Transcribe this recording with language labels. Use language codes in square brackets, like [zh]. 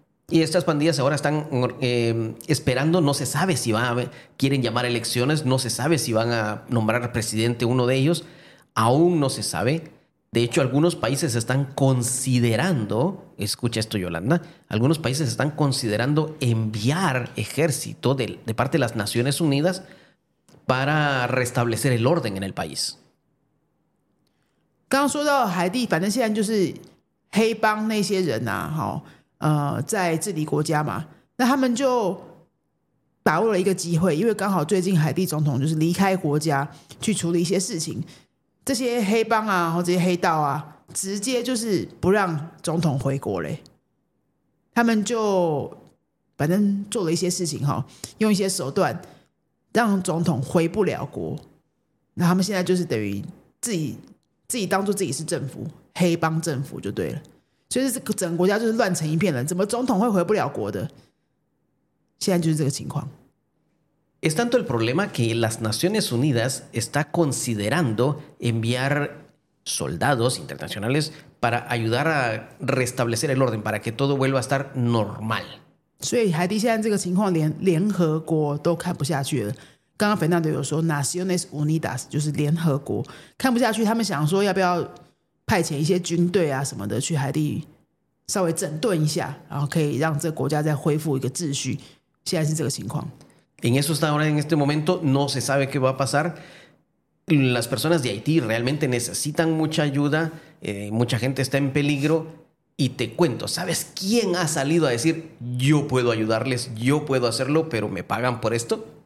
[es] Y estas pandillas ahora están esperando, no se sabe si quieren llamar elecciones, no se sabe si van a nombrar presidente uno de ellos, aún no se sabe. De hecho, algunos países están considerando, escucha esto, Yolanda, algunos países están considerando enviar ejército de parte de las Naciones Unidas para restablecer el orden en el país. [zh] 刚说到海地，反正现在就是黑帮那些人啊，在治理国家嘛，那他们就把握了一个机会，因为刚好最近海地总统就是离开国家去处理一些事情，这些黑帮啊，这些黑道啊，直接就是不让总统回国嘞，他们就反正做了一些事情，用一些手段让总统回不了国，那他们现在就是等于自己当做自己是政府，黑帮政府就对了，所以这个整个国家就是乱成一片了，怎么总统会回不了国的？现在就是这个情况。 [es] Es tanto el problema que las Naciones Unidas está considerando enviar soldados internacionales para ayudar a restablecer el orden, para que todo vuelva a estar normal. [zh] 所以海地现在这个情况连联合国都看不下去了。刚刚菲娜德有说 Naciones Unidas 就是联合国看不下去，他们想说要不要派遣一些军队啊什么的去海地稍微整顿一下，然后可以让这个国家再恢复一个秩序，现在是这个情况。 [es] En eso está ahora en este momento, no se sabe qué va a pasar. Las personas de Haití realmente necesitan mucha ayuda, mucha gente está en peligro. Y te cuento, ¿sabes quién ha salido a decir yo puedo ayudarles, yo puedo hacerlo, pero me pagan por esto?